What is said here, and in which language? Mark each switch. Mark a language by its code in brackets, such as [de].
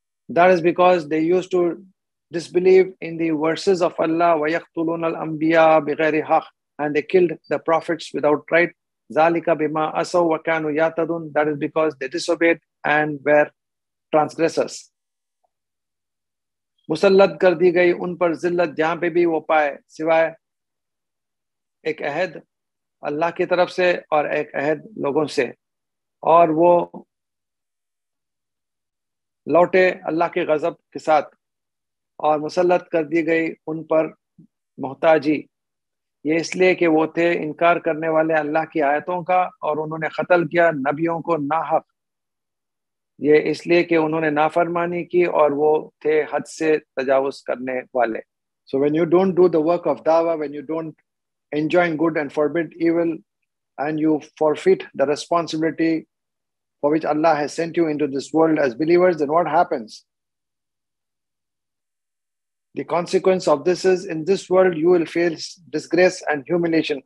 [en] That is because they used to disbelieve in the verses of Allah, [ar] وَيَقْتُلُونَ الْأَنْبِيَاءَ بِغَيْرِ حَقٍّ, [en] and they killed the prophets without right. [ar] ذَلِكَ بِمَا أَسَوْا وَكَانُوا يَعْتَدُونَ. [en] That is because they disobeyed and were transgressors. [ur] مسلط کر دی گئی ان پر ذلت جہاں پہ بھی وہ پائے سوائے ایک عہد اللہ کی طرف سے اور ایک عہد لوگوں سے, اور وہ لوٹے اللہ کے غضب کے ساتھ, اور مسلط کر دی گئی ان پر محتاجی, یہ اس لیے کہ وہ تھے انکار کرنے والے اللہ کی آیتوں کا, اور انہوں نے قتل کیا نبیوں کو ناحق, یہ اس لیے کہ انہوں نے نافرمانی کی اور وہ تھے حد سے تجاوز کرنے والے. [en] So when you don't do the work of dawah, when you don't enjoin good and forbid evil, and you forfeit the responsibility for which Allah has sent you into this world as believers, then what happens? The consequence of this is, in this world you will face disgrace and humiliation.